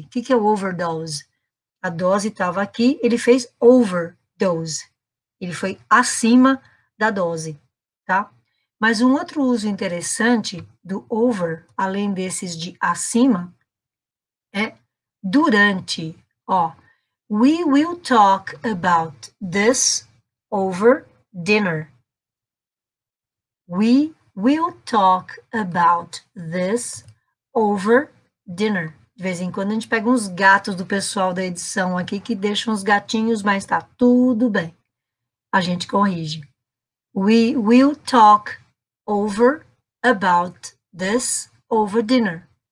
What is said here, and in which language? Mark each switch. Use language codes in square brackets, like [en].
[pt] O que é o overdose? A dose estava aqui, ele fez overdose. Ele foi acima da dose. Tá? Mas um outro uso interessante do over, além desses de acima, é durante. [en] Ó, we will talk about this over dinner. We will talk about this over dinner. [pt] De vez em quando a gente pega uns gatos do pessoal da edição aqui que deixam os gatinhos, mas tá tudo bem. A gente corrige. [en] We will talk over about this over dinner.